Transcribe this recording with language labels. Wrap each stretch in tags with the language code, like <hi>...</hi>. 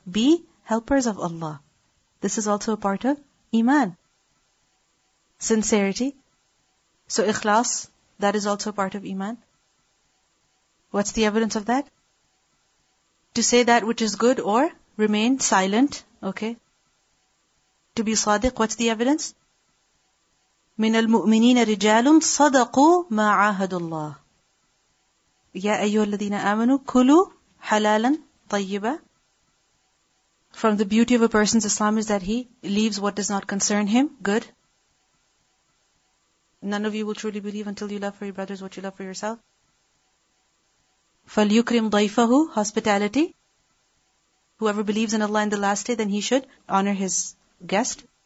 <en>Be helpers of Allah. This is also a part of iman. Sincerity. So ikhlas, that is also part of iman. What's the evidence of that? To say that which is good or remain silent, okay? To be sadiq, what's the evidence?</en> <ar>من المؤمنين رجال صدقوا ما عاهدوا الله. يا أيها الذين آمنوا كلوا حلالا طيبا.</ar> <en>From the beauty of a person's Islam is that he leaves what does not concern him, good. None of you will truly believe until you love for your brothers what you love for yourself.</en> <ar>فَلْيُكْرِمْ ضَيْفَهُ. Hospitality.</ar> <en>Whoever believes in Allah in the last day, then he should honor his guest.</en>